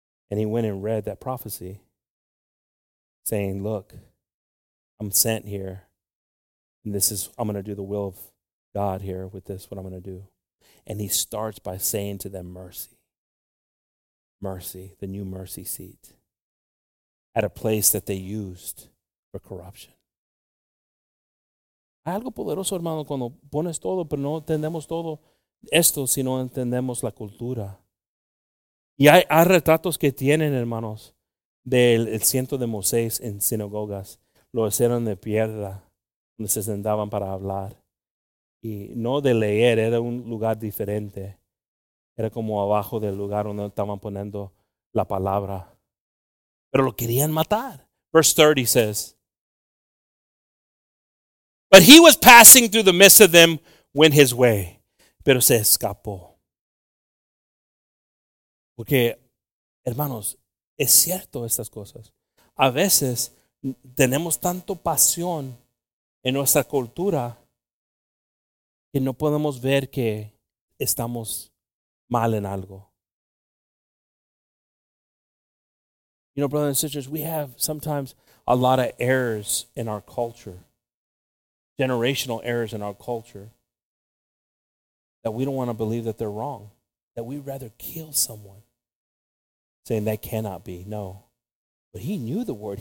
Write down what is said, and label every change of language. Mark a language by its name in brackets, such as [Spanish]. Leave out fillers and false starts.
[English] And he went and read that prophecy, saying, look, I'm sent here. And this is, I'm going to do the will of God here with this, what I'm going to do. And he starts by saying to them, mercy. mercy, the new mercy seat, at a place that they used for corruption. [Spanish] Hay algo poderoso, hermano, cuando pones todo, pero no entendemos todo esto, sino entendemos la cultura. Y hay retratos que tienen, hermanos, del el ciento de Moisés en sinagogas. Lo hicieron de piedra, donde se sentaban para hablar. Y no de leer, era un lugar diferente. Era como abajo del lugar donde estaban poniendo la palabra. Pero lo querían matar. [English] Verse 30 says, but he was passing through the midst of them, went his way. [Spanish] Pero se escapó. Porque, hermanos, es cierto estas cosas. A veces tenemos tanto pasión en nuestra cultura que no podemos ver que estamos mal en algo. [English] You know, brothers and sisters, we have sometimes a lot of errors in our culture, generational errors in our culture, that we don't want to believe that they're wrong, that we'd rather kill someone, saying that cannot be. No. But he knew the word.